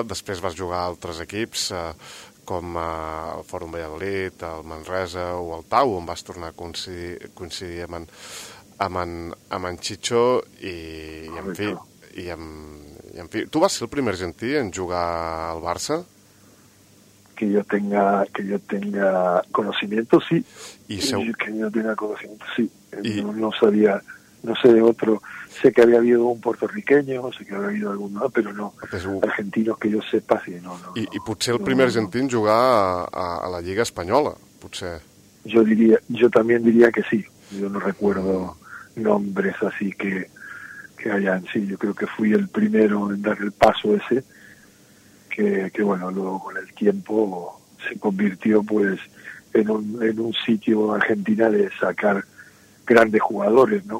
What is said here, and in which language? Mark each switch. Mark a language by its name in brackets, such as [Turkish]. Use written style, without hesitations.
[Catalan] Després vas jugar a altres equips, com el Fòrum Valladolid, el Manresa o el Tau, on vas tornar a coincidir amb en Chicho, i en fi, tu vas ser el primer argentí en jugar al Barça? [Spanish] Que yo tenga conocimiento, sí. ¿Y seu? Que yo tenga conocimiento, sí. ¿Y? No sabía, no sé de otro. Sé que había habido un puertorriqueño, sé que había habido alguno, pero no. Argentinos que yo sepa, sí, no. [Catalan] I potser el primer argentí en jugar a la Lliga Espanyola, potser. [Spanish] Yo también diría que sí. Yo no recuerdo nombres así que hayan. Sí, yo creo que fui el primero en dar el paso ese, que bueno, luego con el tiempo se convirtió pues en un sitio Argentina de sacar grandes jugadores, ¿no?